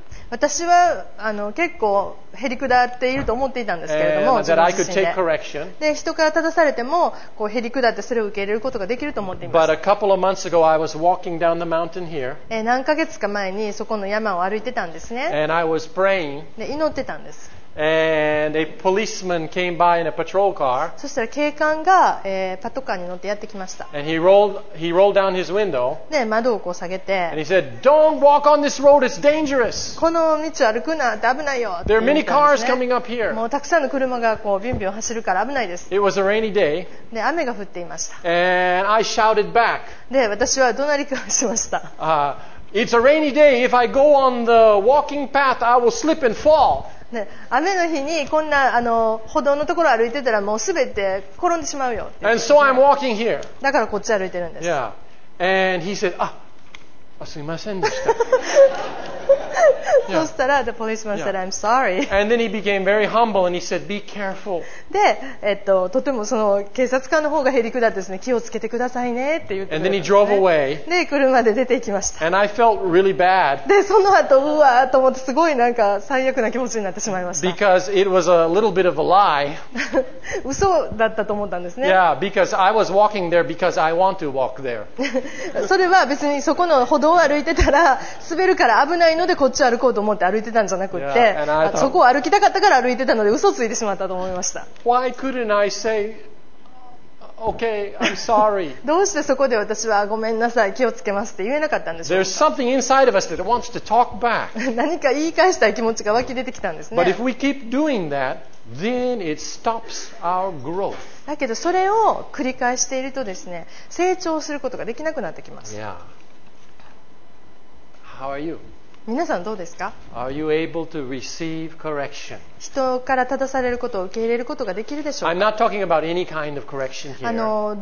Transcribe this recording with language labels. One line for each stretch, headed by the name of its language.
Japanese: 私は結構へりくだっていると思っていたんですけれども、自分自身 で人から正されてもこうへりくだってそれを受け入れることができると思っています。何ヶ月か前にそこの山を歩いてたんですね。
English: And I was praying.
Japanese: で祈ってたんです。
English: And a policeman came by in a patrol car.
Japanese: そしたら警官が、パトカーに乗ってやってきました。
English: And he rolled down his window.
Japanese: で窓をこう下げて。
English: And he said, "Don't walk on this road. It's dangerous."
Japanese: この道を歩くなって危ないよ。
English: There are many cars coming up here.
Japanese: もうたくさんの車がこうビュンビュン走るから危ないです。
English: It was a rainy day.
Japanese: で雨が降っていました。
English: And I shouted back.
Japanese: で私は怒鳴り返しました。
English: It's a rainy day. If I go on the walking path, I will slip and fall.
Japanese: ね、雨の日にこんな歩道のところを歩いてたらもうすべて転んでしまうよ。
English: And so I'm walking here.
Japanese: だからこっち歩いてるんです。
English: Yeah. And he said,
Japanese: すいませんでした。
English: そしたら、the policeman said, I'm sorry. And then he became very humble and he said, be careful.
Japanese: で、とてもその警察官の方がへりくだってですね、気をつけてくださいねって言ってるんですね。
English: And then he drove away.
Japanese: で、車で出て行きました。
English: And I felt really bad.
Japanese: で、その後、うわーと思ってすごいなんか最悪な気持ちになってしまいました。
English: Because it was a little bit of a lie.
Japanese: 嘘だったと思ったんですね。
English: Yeah, because I was walking there because I want to walk there.
Japanese: それは別にそこの歩道を歩いてたら滑るから危ないのでこっち歩こうと思って歩いてたんじゃなくって、そこを歩きたかったから歩いてたので嘘ついてしまったと思いました。
English: Why couldn't I say, okay, I'm sorry?
Japanese: どうしてそこで私はごめんなさい、気をつけますって言えなかったんでしょうか。
English: There's something inside of us that wants to talk back.
Japanese: 何か言い返したい気持ちが湧き出てきたんですね。
English: But if we keep doing that, then it stops our growth.
Japanese: だけどそれを繰り返しているとですね、成長することができなくなってきます。
English: Yeah. How are you?
Japanese: 皆さんどうですか?
English: Are you able to receive correction?
Japanese: 人から正されることを受け入れることができるでしょうか?
English: I'm not talking about any kind of correction here.